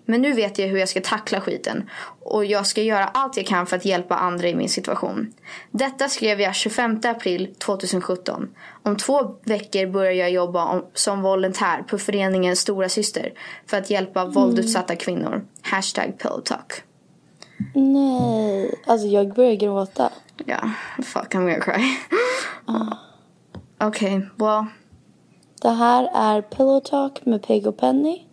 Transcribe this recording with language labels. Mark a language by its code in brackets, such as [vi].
[sv] Men nu vet jag hur jag ska tackla skiten. Och jag ska göra allt jag kan för att hjälpa andra i min situation. Detta skrev jag 25 april 2017. Om 2 veckor börjar jag jobba som volontär på föreningen Stora Syster. För att hjälpa våldutsatta kvinnor. Hashtag Pillow Talk. Nej, alltså jag börjar gråta. [en] Ja, yeah, fuck, I'm gonna cry. Okej, okay, well. [sv] Det här är Pillow Talk med Pig och Penny.